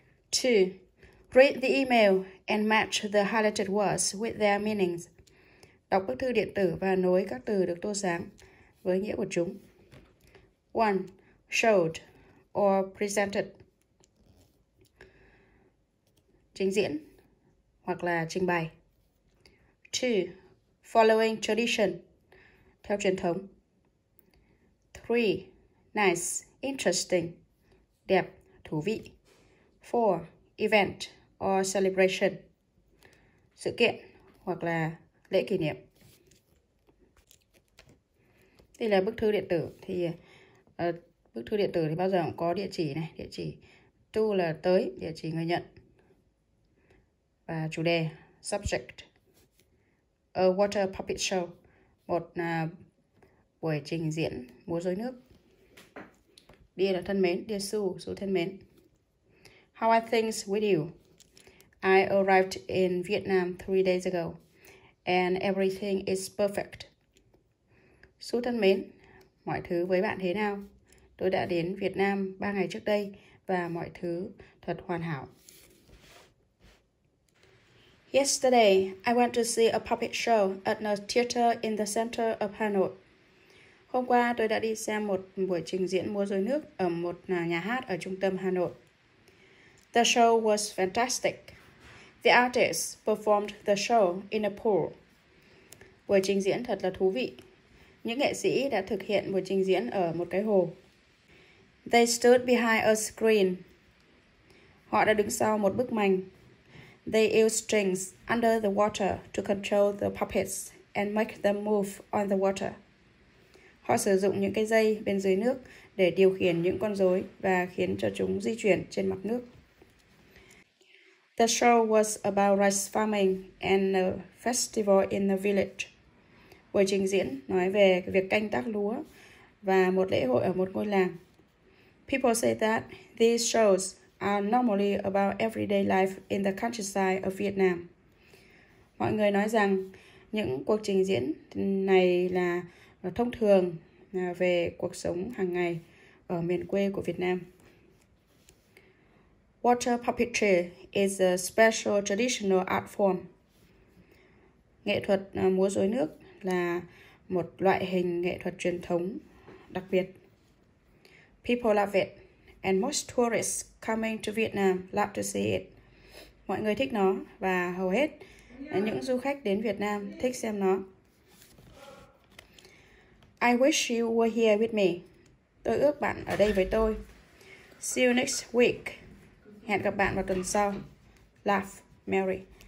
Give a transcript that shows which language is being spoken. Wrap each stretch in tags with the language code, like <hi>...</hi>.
<en>Two, read the email and match the highlighted words with their meanings.</en> <vi>Đọc bức thư điện tử và nối các từ được tô sáng với nghĩa của chúng.</vi> <en>One, showed or presented.</en> <vi>Trình diễn hoặc là trình bày.</vi> <en>Two, following tradition.</en> <vi>Theo truyền thống.</vi> <en>Three, nice, interesting.</en> <vi>Đẹp, thú vị.</vi> <en>Four, event or celebration,</en> <vi>sự kiện hoặc là lễ kỷ niệm. Đây là bức thư điện tử. Thì bức thư điện tử thì bao giờ cũng có địa chỉ này. Địa chỉ to là tới, địa chỉ người nhận. Và chủ đề, subject.</vi> <en>A water puppet show,</en> <vi>một buổi trình diễn múa rối nước. Dear là thân mến, dear Sue thân mến.</vi> <en>How are things with you? I arrived in Vietnam 3 days ago, and everything is perfect.</en> <vi>Su thân mến, mọi thứ với bạn thế nào? Tôi đã đến Việt Nam 3 ngày trước đây, và mọi thứ thật hoàn hảo.</vi> <en>Yesterday, I went to see a puppet show at a theater in the center of Hanoi.</en> <vi>Hôm qua, tôi đã đi xem một buổi trình diễn múa rối nước ở một nhà hát ở trung tâm Hà Nội.</vi> <en>The show was fantastic. The artists performed the show in a pool.</en> <vi>Buổi trình diễn thật là thú vị. Những nghệ sĩ đã thực hiện buổi trình diễn ở một cái hồ.</vi> <en>They stood behind a screen.</en> <vi>Họ đã đứng sau một bức màn.</vi> <en>They used strings under the water to control the puppets and make them move on the water.</en> <vi>Họ sử dụng những cái dây bên dưới nước để điều khiển những con rối và khiến cho chúng di chuyển trên mặt nước.</vi> <en>The show was about rice farming and a festival in the village.</en> <vi>Buổi trình diễn nói về việc canh tác lúa và một lễ hội ở một ngôi làng.</vi> <en>People say that these shows are normally about everyday life in the countryside of Vietnam.</en> <vi>Mọi người nói rằng những cuộc trình diễn này là thông thường về cuộc sống hàng ngày ở miền quê của Việt Nam.</vi> <en>Water puppetry is a special traditional art form.</en> <vi>Nghệ thuật múa rối nước là một loại hình nghệ thuật truyền thống đặc biệt.</vi> <en>People love it, and most tourists coming to Vietnam love to see it.</en> <vi>Mọi người thích nó và hầu hết những du khách đến Việt Nam thích xem nó.</vi> <en>I wish you were here with me.</en> <vi>Tôi ước bạn ở đây với tôi.</vi> <en>See you next week.</en> <vi>Hẹn gặp bạn vào tuần sau. Laugh, Mary.</vi>